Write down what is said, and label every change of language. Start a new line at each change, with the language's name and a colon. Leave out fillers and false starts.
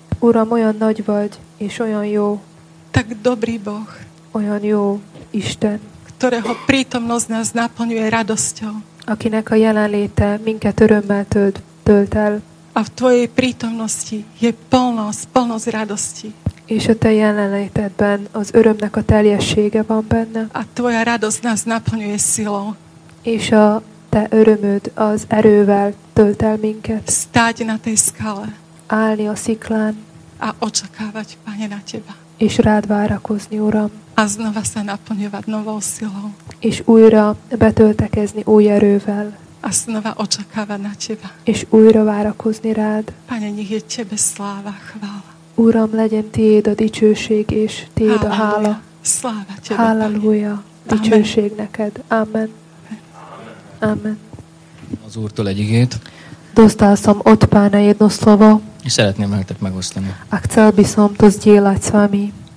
Hungarian: Uram, olyan nagy vagy, és olyan jó.
Slovak: Tak dobrý Boh.
Hungarian: Olyan jó Isten.
Slovak: Ktorého prítomnosť nás naplňuje radosťou.
Hungarian: Akinek a jelenléte minket örömmel tölt el.
Slovak: A v Tvojej prítomnosti je plnosť radosti.
Hungarian: És a Te jelenlétedben az örömnek a teljessége van benne.
Slovak: A Tvoja radosť nás naplňuje silou.
Hungarian: És a Te örömöd az erővel tölt el minket.
Slovak: Stáť na tej skale.
Hungarian: Állni a sziklán.
Slovak: A očakávať, Pane, na Teba.
Hungarian: És rád várakozni, Uram.
Slovak: A znova sa naplňovať novou silou.
Hungarian: És újra betöltekezni új erővel.
Slovak: A znova očakávať na Teba.
Hungarian: És újra várakozni rád.
Slovak: Pane, nech je Tebe sláva, chvála.
Hungarian: Uram, legyen Tiéd a dicsőség, és Tiéd a hála.
Slovak: Sláva Tebe,
Hungarian: halleluja. Dicsőség neked. Amen. Amen. Az Úrtól egy igét.
Slovak: Dostal som od Pána jedno slovo.
Hungarian: I szeretném nektek megosztani.
Slovak: A chcel by som to zdieľať s vami.